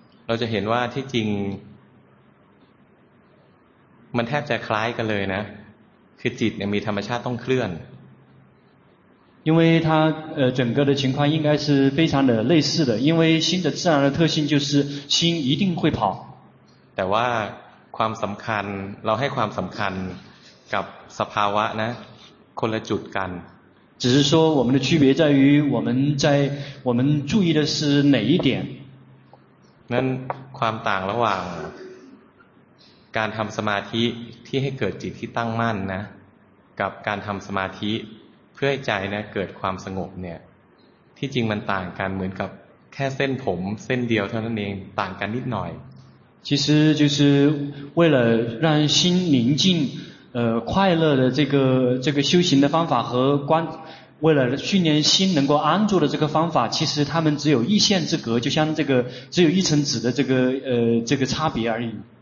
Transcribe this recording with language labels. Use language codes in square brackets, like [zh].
[th] เราจะเห็นว่าที่จริงมันแทบจะคล้ายกันเลยนะคือจิตเนี่ยมีธรรมชาติต้องเคลื่อน [zh] 因为它整个的情况应该是非常的类似的因为心的自然的特性就是心一定会跑 [th] แต่ว่าความสำคัญเราให้ความสำคัญกับสภาวะนะคนละจุดกัน [zh] 只是说我们的区别在于我们在我们注意的是哪一点 [th] นั้นความต่างระหว่างการทำสมาธิที่ให้เกิดจิตที่ตั้งมั่นนะกับการทำสมาธิเพื่อให้ใจนะเกิดความสงบเนี่ยที่จริงมันต่างกันเหมือนกับแค่เส้นผมเส้นเดียวเท่านั้นเองต่างกันนิดหน่อย [zh] 其实就是为了让心宁静快乐的这个修行的方法和观，为了训练心能够安住的这个方法，其实他们只有一线之隔，就像这个只有一层纸的这个差别而已。